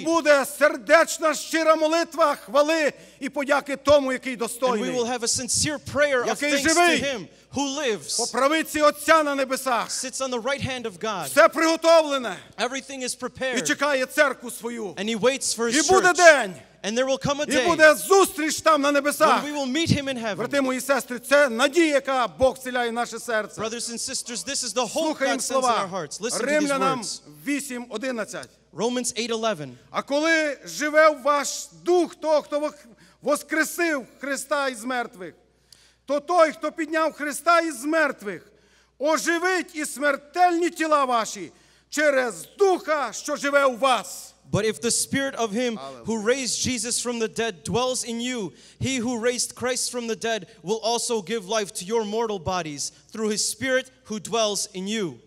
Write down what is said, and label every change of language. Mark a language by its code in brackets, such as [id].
[uk] І буде сердечна, щира молитва, хвали і подяки тому, який достойний. [en] And we will have a sincere prayer of thanks to him who lives. [uk] По правиці Отця на небесах. [en] Sits on the right hand of God. [uk] Все приготовлене. [en] Everything is prepared. [uk] І чекає церкву свою. [en] And he waits for his church. [uk] І буде день. [en] And there will come a day. [uk] І буде зустріч там на небесах. [en] We will meet him in heaven. [uk] Брати мої сестри, це надія, яка Бог вселяє в наше серце. [en] Brothers and sisters, this is the hope that sends in our hearts. Listen [uk] Римлянам 8:11. [en] Romans 8:11. [uk] А коли живе ваш дух того, хто воскресив Христа із мертвих, то той, хто підняв Христа із мертвих, оживить і смертельні тіла ваші через духа, що живе у вас. [en] But if the spirit of him who raised Jesus from the dead dwells in you, he who raised Christ from the dead will also give life to your mortal bodies through his spirit who dwells in you.